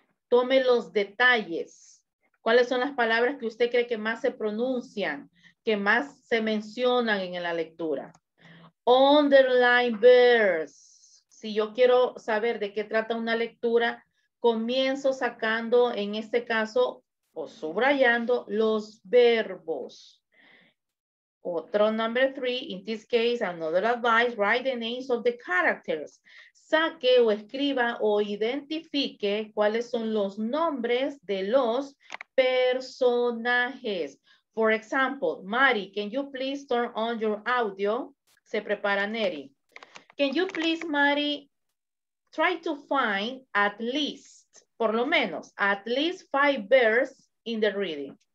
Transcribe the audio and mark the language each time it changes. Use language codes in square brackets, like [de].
[es] Tome los detalles. ¿Cuáles son las palabras que usted cree que más se pronuncian, que más se mencionan en la lectura? [en] Underline verbs. [es] Si yo quiero saber de qué trata una lectura, comienzo sacando, en este caso, o subrayando, los verbos. Otro [en] number three, in this case, another advice, write the names of the characters. [es] Saque o escriba o identifique cuáles son los nombres de los personajes. [en] For example, Mari, can you please turn on your audio? [es] Se prepara Neri. [en] Can you please, Mari, try to find at least, [es] por lo menos, [en] at least five verbs in the reading?